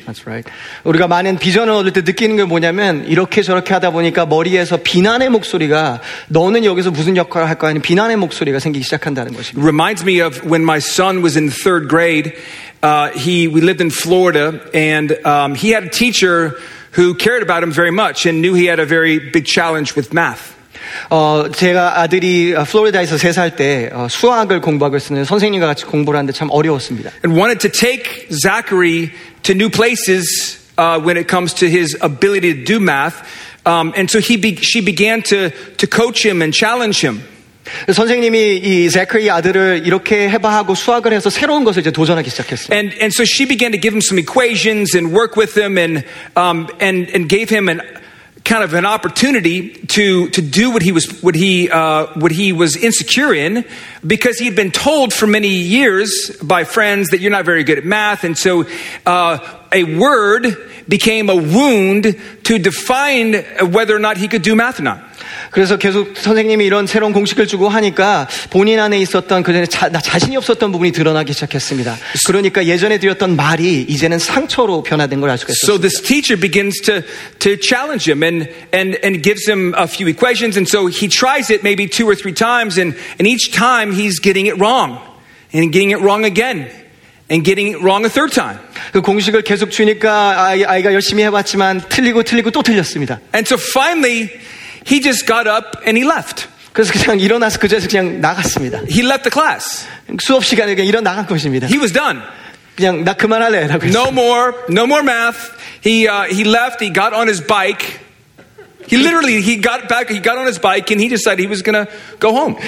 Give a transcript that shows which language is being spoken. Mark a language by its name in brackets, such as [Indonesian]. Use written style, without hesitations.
[English] That's right. [Korean] 우리가 많은 비전을 얻을 때 느끼는 게 뭐냐면 이렇게 저렇게 하다 보니까 머리에서 비난의 목소리가 너는 여기서 무슨 역할을 할 거야 하는 비난의 목소리가 생기기 시작한다는 것입니다. [English] Reminds me of when my son was in third grade. We lived in Florida and he had a teacher who cared about him very much and knew he had a very big challenge with math. [Korean] 제가 아들이 플로리다에서 세 살 때 수학을 공부하고 있었는데 선생님과 같이 공부를 하는데 참 어려웠습니다. [English] And wanted to take Zachary to new places when it comes to his ability to do math. And so she began to coach him and challenge him. [Korean] 선생님이 이 Zachary 아들을 이렇게 해봐 하고 수학을 해서 새로운 것을 이제 도전하기 시작했어요. [English] And so she began to give him some equations and work with him and gave him an kind of an opportunity to do what he was insecure in, because he had been told for many years by friends that you're not very good at math, and so a word became a wound to define whether or not he could do math or not. [Korean] 그래서 계속 선생님이 이런 새로운 공식을 주고 하니까 본인 안에 있었던 그전에 나 자신이 없었던 부분이 드러나기 시작했습니다. 그러니까 예전에 드렸던 말이 이제는 상처로 변화된 걸 알 수가 있습니다. [English] So this teacher begins to challenge him and gives him a few equations, and so he tries it maybe two or three times, and each time he's getting it wrong, and getting it wrong again, and getting it wrong a third time. [Korean] 그 공식을 계속 주니까 아이가 열심히 해봤지만 틀리고 틀리고 또 틀렸습니다. [English] And so finally, he just got up and he left. [Korean] 그래서 그냥 일어나서 그저 그냥 나갔습니다. [English] He left the class. [Korean] 수업 시간에 그냥 일어 나간 것입니다. [English] He was done. [Korean] 그냥 나 그만할래라고 했어요. [English] No more math. He left. He got on his bike. He got on his bike and he decided he was gonna go home.